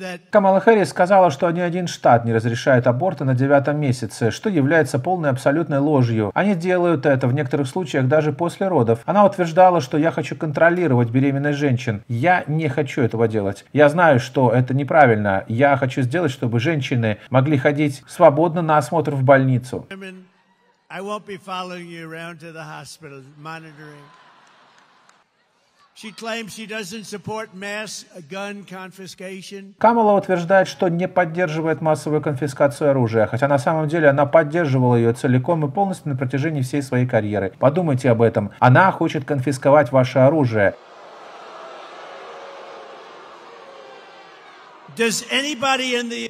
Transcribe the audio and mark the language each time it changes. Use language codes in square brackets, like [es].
[ru] Камала Харрис сказала, что ни один штат не разрешает аборты на 9-м месяце, что является полной абсолютной ложью. Они делают это в некоторых случаях даже после родов. Она утверждала, что я хочу контролировать беременных женщин. Я не хочу этого делать. Я знаю, что это неправильно. Я хочу сделать, чтобы женщины могли ходить свободно на осмотр в больницу. [en] I won't be following you around to the hospital monitoring. She claims she doesn't support mass gun confiscation. [ru] Камала утверждает, что не поддерживает массовую конфискацию оружия, хотя на самом деле она поддерживала ее целиком и полностью на протяжении всей своей карьеры. Подумайте об этом. Она хочет конфисковать ваше оружие. [en] Does anybody in the...